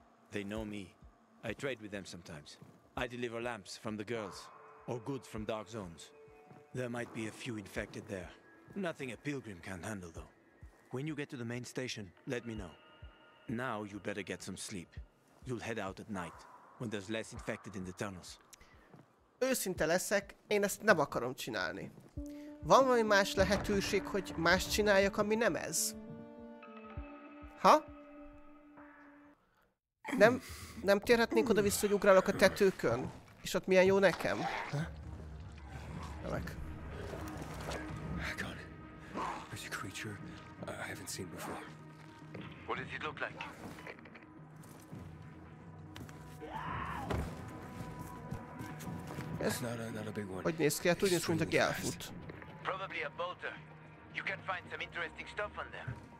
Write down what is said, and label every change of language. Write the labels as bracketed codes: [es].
[en] They know me. I trade with them sometimes. I deliver lamps from the girls, or goods from dark zones. There might be a few infected there. Nothing a pilgrim can't handle, though. When you get to the main station, let me know. Now you better get some sleep. You'll head out at night, when there's less infected in the tunnels. [hu] Őszinte leszek, én ezt nem akarom csinálni. Van valami más lehetőség, hogy más csináljak, ami nem ez? Ha? Nem térhetnénk oda vissza, hogy ugrálok a tetőkön? És ott milyen jó nekem? Remek. [en] Hagan, there's a creature I haven't seen before. What does it look like? [hu] Ez [en] not a big one. [hu] Hogy néz ki? Hát úgy néz, mint aki elfut. [en] Probably a bolter. You can find some interesting stuff on them.